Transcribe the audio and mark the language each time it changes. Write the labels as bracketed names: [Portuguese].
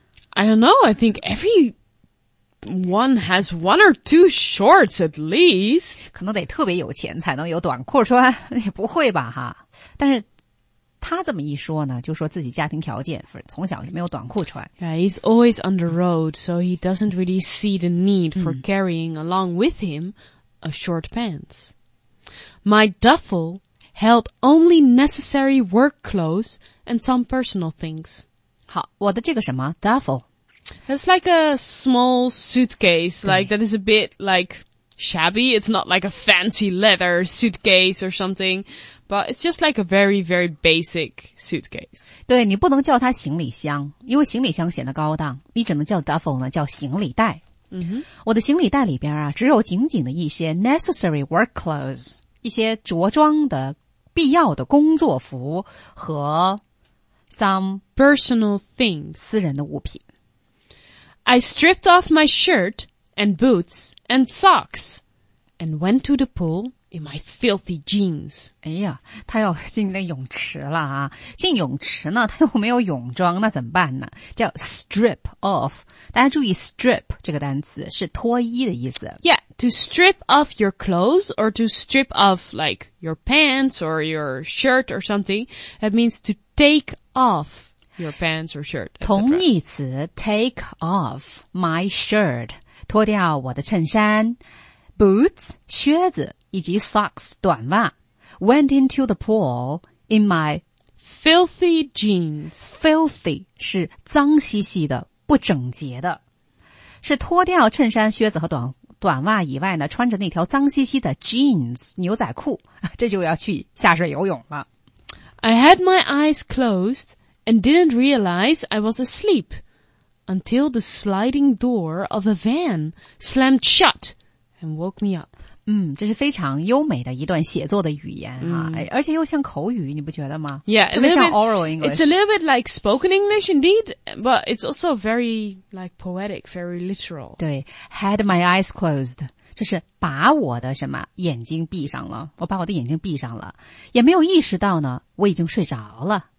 [English] I don't know, I think every one has one or two shorts at least. [Chinese] 可能得特别有钱才能有短裤穿，也不会吧哈。但是他这么一说呢，就说自己家庭条件，从小就没有短裤穿。 [English] Yeah, he's always on the road, so he doesn't really see the need for carrying along with him a short pants. My duffel held only necessary work clothes and some personal things. [Chinese] 好，我的这个什么 duffel? [English] It's like a small suitcase, like that is a bit like shabby. It's not like a fancy leather suitcase or something. But it's just like a very, very basic suitcase. [Chinese] 对，你不能叫它行李箱，因为行李箱显得高档。你只能叫 duffel 呢，叫行李袋。 Mm-hmm. 我的行李袋里边啊，只有仅仅的一些 [English] necessary work clothes， [Chinese] 一些着装的必要的工作服和 [English] some personal things， [Chinese] 私人的物品。 [English] I stripped off my shirt and boots and socks and went to the pool. In my filthy jeans. [Chinese] 哎呀，他要进那泳池了啊！进泳池呢，他又没有泳装，那怎么办呢？叫 strip off。大家注意 strip 这个单词是脱衣的意思。 [English] Yeah, to strip off your clothes or to strip off like your pants or your shirt or something. That means to take off your pants or shirt. [Chinese] 同义词 [English] take off my shirt， [Chinese] 脱掉我的衬衫。 [English] Boots, [Chinese] 靴子以及 [English] socks, [Chinese] 短袜 [English] went into the pool in my filthy jeans. [Chinese] Filthy 是脏兮兮的，不整洁的。是脱掉衬衫、靴子和短袜以外呢，穿着那条脏兮兮的 jeans, 牛仔裤，这就要去下水游泳了。 [English] I had my eyes closed and didn't realize I was asleep until the sliding door of a van slammed shut. And woke me up. [Chinese] 这是非常优美的一段写作的语言啊，而且又像口语，你不觉得吗？ [English] Yeah, [Chinese] 特别像 [English] oral English. It's a little bit like spoken English indeed, but it's also very like poetic, very literal. [Chinese] 对 , [English] had my eyes closed, [Chinese] 就是把我的什么眼睛闭上了，我把我的眼睛闭上了，也没有意识到呢，我已经睡着了。